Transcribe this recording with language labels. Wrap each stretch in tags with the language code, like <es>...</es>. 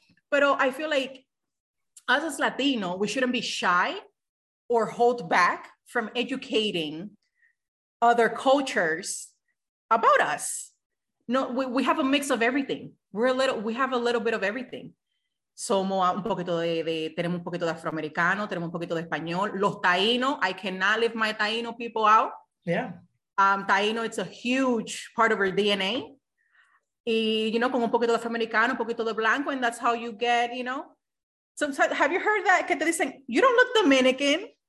<en>But I feel like us as Latino, we shouldn't be shy or hold back from educating other cultures about us. No, we have a mix of everything. We have a little bit of everything.</en> <es>Somos un poquito de tenemos un poquito de afroamericano, tenemos un poquito de español.</es> <en>Los Taíno, I cannot leave my Taíno people out. Yeah. Taíno, it's a huge part of our DNA. Y, you know,</en> <es>con un poquito de afroamericano, un poquito de blanco,</es> <en>and that's how you get, you know. Sometimes, have you heard that?</en> <es>Que te dicen,</es> <en>you don't look Dominican.</en>